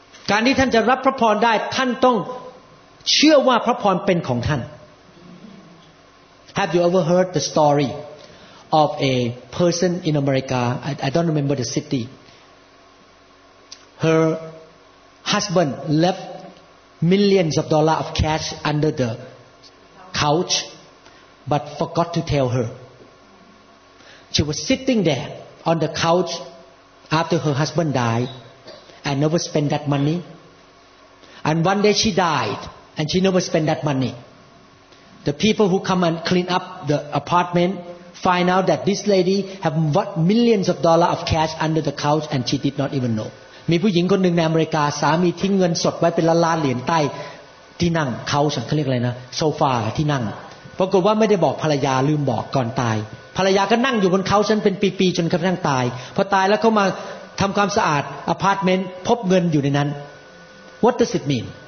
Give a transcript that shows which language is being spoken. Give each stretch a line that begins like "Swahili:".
Thai: การที่ท่านจะรับพระพรได้ท่านต้องเชื่อว่าพระพรเป็นของท่าน
English: Have you ever heard the story of a person in America I don't remember the city herHusband left millions of dollars of cash under the couch, but forgot to tell her. She was sitting there on the couch after her husband died, and never spent that money. And one day she died, and she never spent that money. The people who come and clean up the apartment find out that this lady have millions of dollars of cash under the couch, and she did not even know.
Thai: มีผู้หญิงคนหนึ่งในอเมริกาสามีทิ้งเงินสดไว้เป็นล้านๆเหรียญใต้ที่นั่งเขาฉันเขาเรียกอะไรนะโซฟาที่นั่งปรากฏว่าไม่ได้บอกภรรยาลืมบอกก่อนตายภรรยาก็นั่งอยู่บนเขาฉันเป็นปีๆจนกระทั่งตายพอตายแล้วเขามาทำความสะอาดอพาร์ตเมนต์พบเงินอยู่ในนั้น
English: What does it mean?